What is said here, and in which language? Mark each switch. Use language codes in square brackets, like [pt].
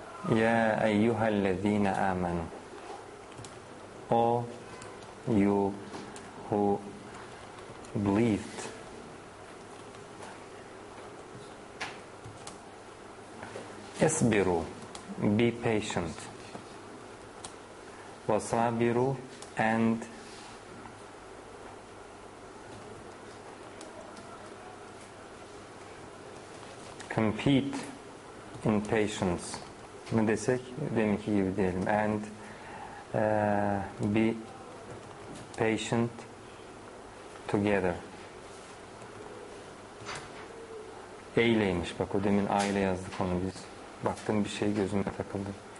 [ar] يَا أَيُّهَا الَّذِينَ آمَنُوا [en] All you who believed [ar] اسْبِرُوا [en] Be patient [ar] وَصَابِرُوا [en] And compete in patience. [tr] Ne desek? Deminki gibi diyelim. [en] And be patient together. Eyleymiş. [tr] Bak o demin aile yazdık onu biz. Baktım bir şey gözüme takıldı.